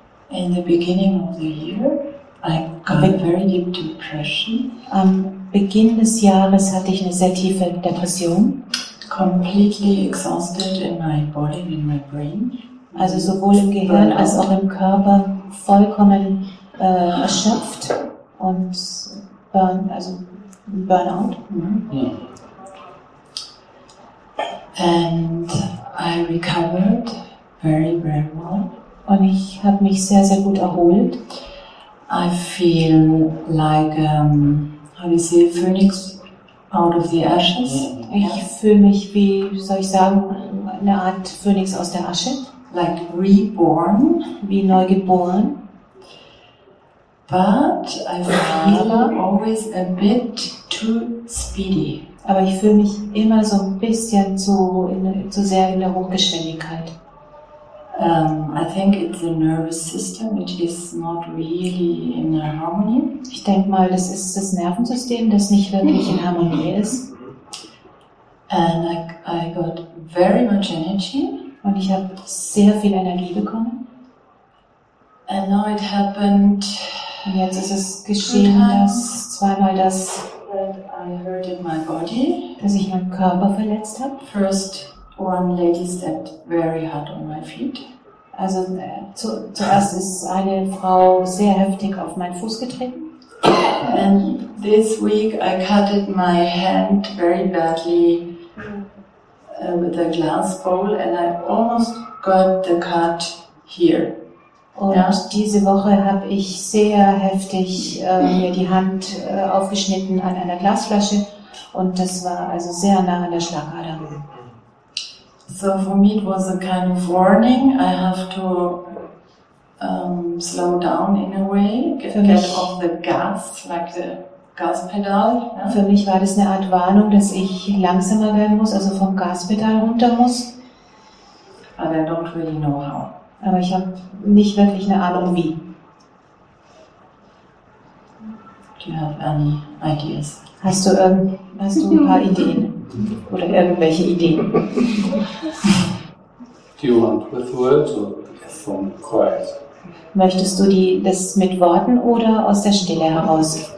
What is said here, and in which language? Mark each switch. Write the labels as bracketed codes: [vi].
[en] In the beginning of the year, I got a very deep depression. [de] Am Beginn des Jahres hatte ich eine sehr tiefe Depression. [en] Completely exhausted in my body, in my brain. [de] Also sowohl im Gehirn als auch im Körper vollkommen erschöpft und Burnout. [en] And I recovered very, very well. [de] Und ich habe mich sehr, sehr gut erholt. [en] I feel like, how do you say, phoenix out of the ashes. [de] Ich fühle mich wie, soll ich sagen, eine Art Phönix aus der Asche. [en] Like reborn. [de] Wie neugeboren. [en] But I feel always a bit too speedy. [de] Aber ich fühle mich immer so ein bisschen zu sehr in der Hochgeschwindigkeit. [en] I think it's the nervous system, which is not really in harmony. [de] Ich denke mal, das ist das Nervensystem, das nicht wirklich in Harmonie ist. [en] And I got very much energy. [de] Und ich habe sehr viel Energie bekommen. [en] And now it happened. [de] Und jetzt ist es geschehen, dass zweimal das, [en] that I hurt in my body. [de] Dass ich meinen Körper verletzt habe. [en] First one lady stepped very hard on my feet. [de] Also zuerst ist eine Frau sehr heftig auf meinen Fuß getreten. [en] And this week I cut my hand very badly with a glass bowl and I almost got the cut here. [de] Und diese Woche habe ich sehr heftig mir die Hand aufgeschnitten an einer Glasflasche und das war also sehr nah an der Schlagader. [en] So for me it was a kind of warning. I have to slow down in a way, get off the gas, like the gas pedal. [de] Ja. Für mich war das eine Art Warnung, dass ich langsamer werden muss, also vom Gaspedal runter muss. [en] But I don't really know how. [de] Aber ich habe nicht wirklich eine Ahnung wie. [en] Do you have any ideas? [de] Hast du ein paar Ideen? Oder irgendwelche Ideen? [en] Do you want with words or from quiet? [de] Möchtest du das mit Worten oder aus der Stille heraus?